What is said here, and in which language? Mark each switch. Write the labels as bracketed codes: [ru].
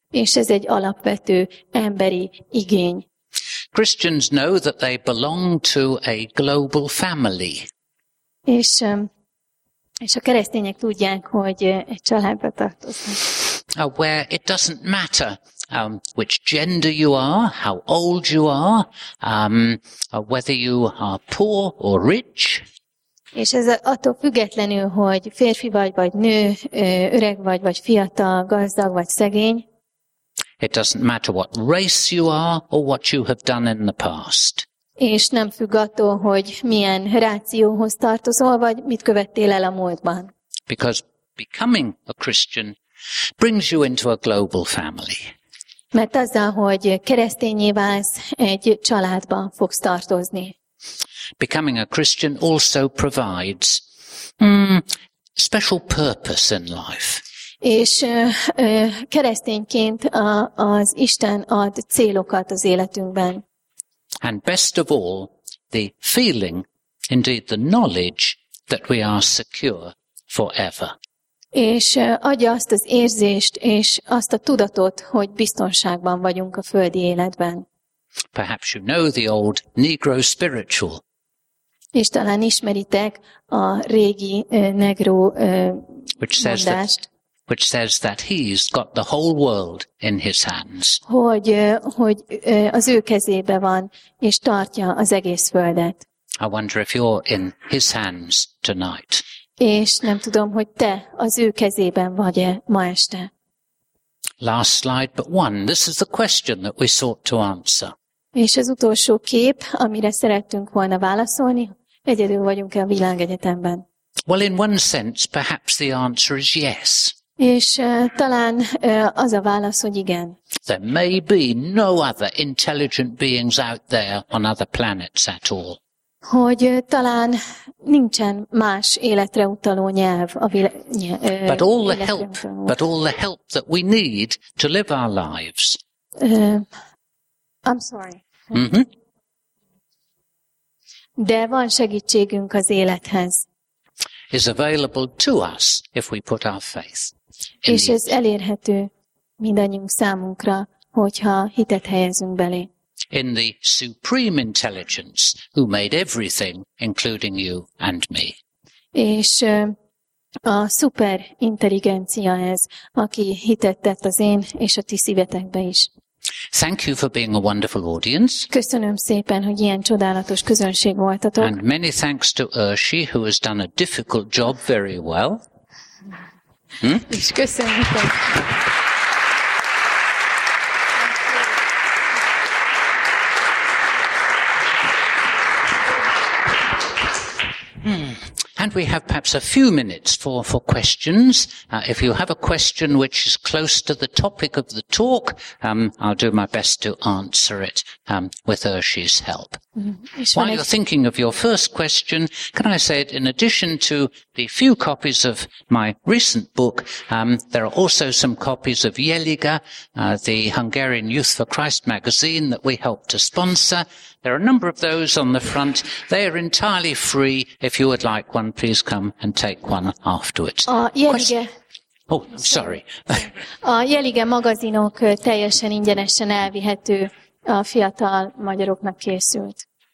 [hu] És ez egy alapvető emberi igény. [en] Christians know that they belong to a global family. [hu] És a keresztények tudják, hogy egy családba tartoznak. [en] Where it doesn't matter which gender you are, how old you are, whether you are poor or rich. [hu] És ez attól függetlenül, hogy férfi vagy nő, öreg vagy fiatal, gazdag vagy szegény. [en] It doesn't matter what race you are or what you have done in the past. [hu] És nem függ attól, hogy milyen rációhoz tartozol, vagy mit követtél el a múltban. [en] Because becoming a Christian brings you into a global family. [hu] Mert azzal, hogy keresztényé válsz, egy családba fogsz tartozni. [en] Becoming a Christian also provides special purpose in life. [hu] És keresztényként az Isten ad célokat az életünkben. [en] And best of all, the feeling, indeed the knowledge, that we are secure forever. [hu] És adja azt az érzést és azt a tudatot, hogy biztonságban vagyunk a földi életben. [en] Perhaps you know the old Negro spiritual. [hu] És talán ismeritek a régi negro mondást. [en] Which says that he's got the whole world in his hands. [hu] Hogy az ő kezébe van, és tartja az egész földet. [en] I wonder if you're in his hands tonight. [hu] És nem tudom, hogy te az ő kezében vagy-e ma este. [en] Last slide but one. This is the question that we sought to answer. [hu] És az utolsó kép, amire szerettünk volna válaszolni, egyedül vagyunk-e a világegyetemben? [en] Well, in one sense, perhaps the answer is yes. [hu] És talán az a válasz, hogy igen. [en] There may be no other intelligent beings out there on other planets at all. [hu] Hogy talán nincsen más életre utaló nyelv a [en] But all the help that we need to live our lives. I'm sorry. Mm-hmm. [hu] De van segítségünk az élethez. [en] Is available to us if we put our faith. [hu] És ez elérhető mindannyiunk számunkra, hogyha hitet helyezünk belé. [en] In the supreme intelligence who made everything, including you and me. [hu] És a szuper intelligencia ez, aki hitet tett az én és a ti szívetekbe is. [en] Thank you for being a wonderful audience. [hu] Köszönöm szépen, hogy ilyen csodálatos közönség voltatok. [en] And many thanks to Ershi, who has done a difficult job very well. [hu] És köszönjük. [en] And we have perhaps a few minutes for questions. If you have a question which is close to the topic of the talk, I'll do my best to answer it with Ershi's help. While you're thinking of your first question, can I say it? In addition to the few copies of my recent book, there are also some copies of Jeliga, the Hungarian Youth for Christ magazine that we help to sponsor. There are a number of those on the front. They are entirely free. If you would like one, please come and take one afterwards. [hu] A Jeliga magazinok teljesen ingyenesen elvihető a fiatal magyaroknak készült.